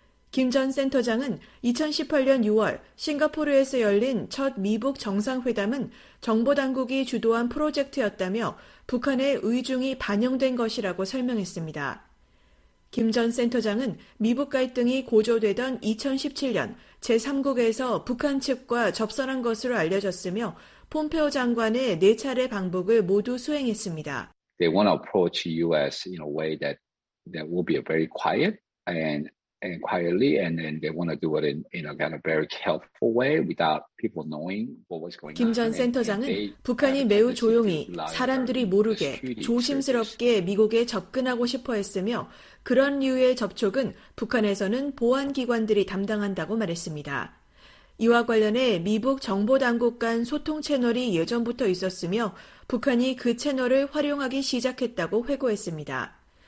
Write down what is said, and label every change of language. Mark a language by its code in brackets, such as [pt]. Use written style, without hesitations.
[ko] 김 전 센터장은 2018년 6월 싱가포르에서 열린 첫 미북 정상회담은 정보당국이 주도한 프로젝트였다며 북한의 의중이 반영된 것이라고 설명했습니다. 김 전 센터장은 미북 갈등이 고조되던 2017년 제3국에서 북한 측과 접선한 것으로 알려졌으며 폼페오 장관의 네 차례 방북을 모두 수행했습니다. [en] They want to approach U.S. in a way that will be very quiet and quietly, and then they want to do it in a kind of very careful way without people knowing what was going on. [ko] 김 전 센터장은 북한이 매우 조용히 사람들이 모르게 조심스럽게 미국에 접근하고 싶어 했으며 그런 류의 접촉은 북한에서는 보안기관들이 담당한다고 말했습니다. 이와 관련해 미국 정보당국 간 소통 채널이 예전부터 있었으며 북한이 그 채널을 활용하기 시작했다고 회고했습니다.